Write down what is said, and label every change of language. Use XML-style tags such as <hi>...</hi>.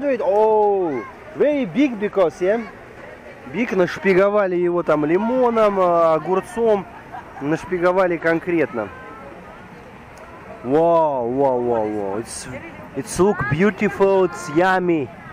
<en>200? Oh, very big because, yeah?</en> <ru>Big, нашпиговали его там лимоном, огурцом. Нашпиговали конкретно.</ru> <en>Wow, wow, wow, wow. It's look beautiful, it's yummy.</en>